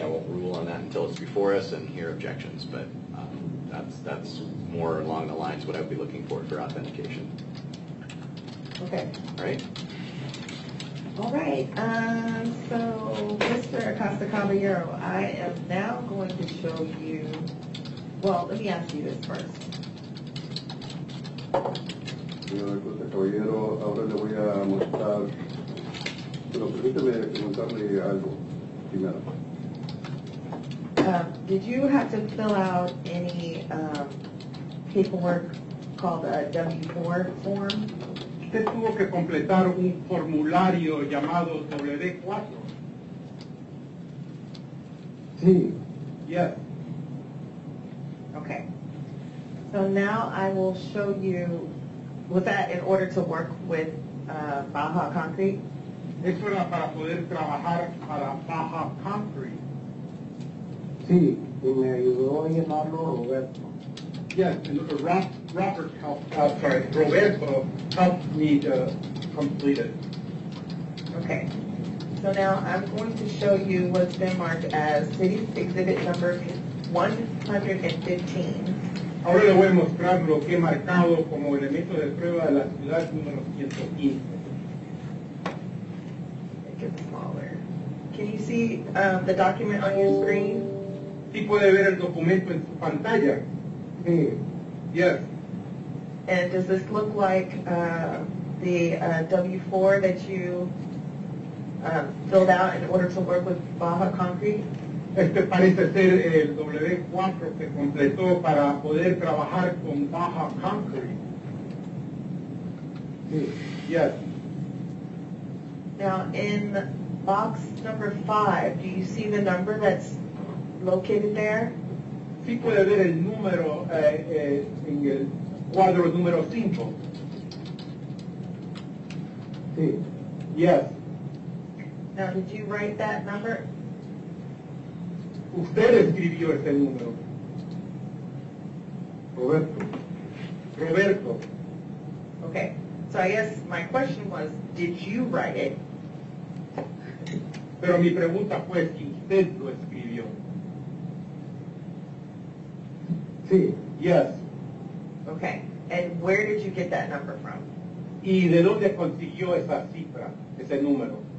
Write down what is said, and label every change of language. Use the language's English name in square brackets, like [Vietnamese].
[English] I won't rule on that until it's before us and hear objections, but that's more along the lines what I'd be looking for authentication. Okay. Right? All right. So, Mr. Acosta Caballero, I am now going to show you, well, let me ask you this first. [Spanish] Señor José Caballero, ahora le voy a mostrar, pero permítame preguntarle algo primero. [English] Did you have to fill out any paperwork called a W-4 form? [Spanish] Usted tuvo que completar un formulario llamado WD-4. Sí. [English] Yes. Okay. So now I will show you. Was that in order to work with Baja Concrete? [Spanish] Eso era para poder trabajar para Baja Concrete. Sí, y me ayudó a llamarlo Roberto. [English] Yes, and Robert helped. Roberto helped me to complete it. Okay. So now I'm going to show you what's been marked as City Exhibit Number 115. [Spanish] Ahora le voy a mostrar lo que he marcado como elemento de prueba de la ciudad número 115. [English] Make it smaller. Can you see the document on your screen? [Spanish] Sí, puede ver el documento en su pantalla. Sí. [English] Yes. And does this look like the W-4 that you filled out in order to work with Baja Concrete? [Spanish] Este parece ser el W4 que completó para poder trabajar con Baja Concrete. [English] Yes. Now, in box number 5, do you see the number that's located there? [Spanish] Sí, puede ver el número en el cuadro número 5. Sí. [English] Yes. Now, did you write that number? [Spanish] Usted escribió ese número. Roberto. [English] Roberto. Okay. So I guess my question was, did you write it? [Spanish] Pero mi pregunta fue si usted lo escribió. Sí. [English] Yes. Okay. And where did you get that number from? [Spanish] ¿Y de dónde consiguió esa cifra, ese número?